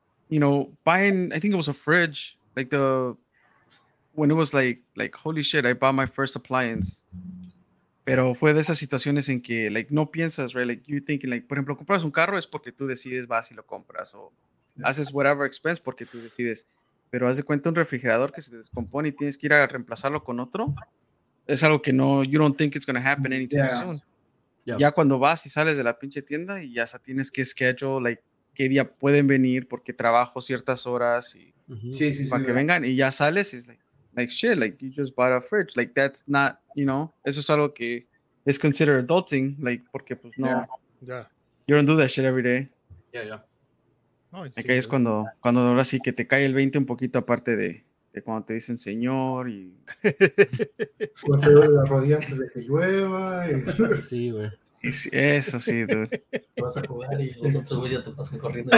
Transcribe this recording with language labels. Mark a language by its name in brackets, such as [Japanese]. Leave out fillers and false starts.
[English] you know, buying, I think it was a fridge, like the, when it was like, holy shit, I bought my first appliance. [Spanish] Pero fue de esas situaciones en que, like, no piensas, right? Like, [English] you're thinking, [Spanish] like, por ejemplo, compras un carro es porque tú decides, vas y lo compras, o haces [English] whatever expense [Spanish] porque tú decides. Pero haz de cuenta un refrigerador que se descompone y tienes que ir a reemplazarlo con otro. Es algo que no, [English] you don't think it's going to happen anytime soon. Yeah. [Spanish] Ya cuando vas y sales de la pinche tienda y ya tienes que schedule, like, qué día pueden venir porque trabajo ciertas horas y para que vengan y ya sales y es [English] like shit, like you just bought a fridge, like that's not, you know, [Spanish] eso es algo que es [English] considered adulting, like [Spanish] porque pues no, [English] you don't do that shit every day. Yeah. [Spanish] Oh, like, es cuando ahora sí que te cae el 20 un poquito aparte de cuando te dicen señor y cuando te duele la rodilla antes de que llueva y... sí, güey. Eso sí, dude. Vas a jugar y los otros güeyes te pasan corriendo.